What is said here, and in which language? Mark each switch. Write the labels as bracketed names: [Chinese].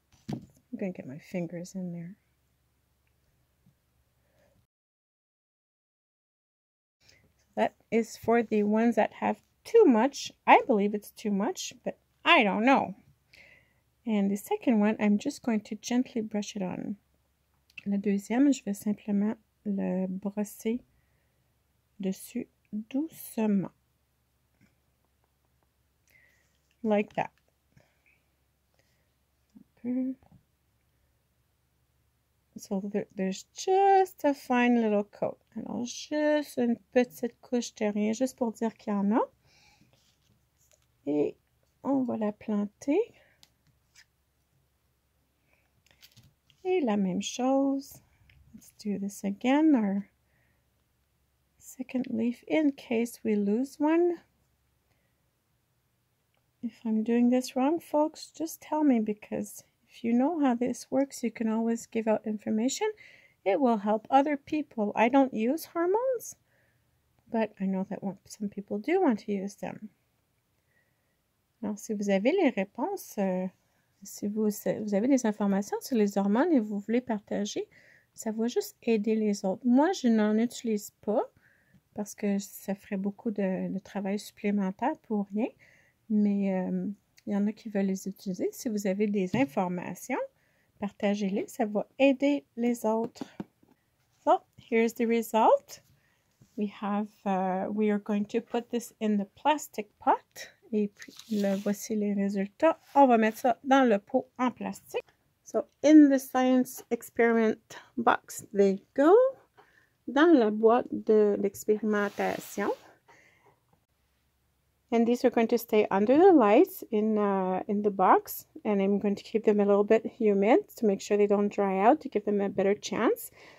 [English] I'm gonna get my fingers in there. That is for the ones that have too much. I believe it's too much, but I don't know. And the second one, I'm just going to gently brush it on. [French] La deuxième, je vais simplement le brosser dessus doucement. [English] Like that. So there's just a fine little coat. [French] Alors, juste une petite couche de rien, juste pour dire qu'il y en a. Et on va la planter. Et la même chose. [English] Let's do this again. Our second leaf in case we lose one. If I'm doing this wrong, folks, just tell me because... If you know how this works, you can always give out information. It will help other people. I don't use hormones, but I know that some people do want to use them. [French] Alors, si vous avez les réponses, si vous avez des informations sur les hormones et vous voulez partager, ça va juste aider les autres. Moi, je n'en utilise pas parce que ça ferait beaucoup de travail supplémentaire pour rien, mais... Il y en a qui veulent les utiliser. Si vous avez des informations, partagez-les. Ça va aider les autres. [English] So, here's the result. We are going to put this in the plastic pot. [French] Et puis, là, voici les résultats. On va mettre ça dans le pot en plastique. [English] So, in the science experiment box, they go. [French] Dans la boîte de l'expérimentation. [English] And these are going to stay under the lights in the box. And I'm going to keep them a little bit humid to make sure they don't dry out, to give them a better chance.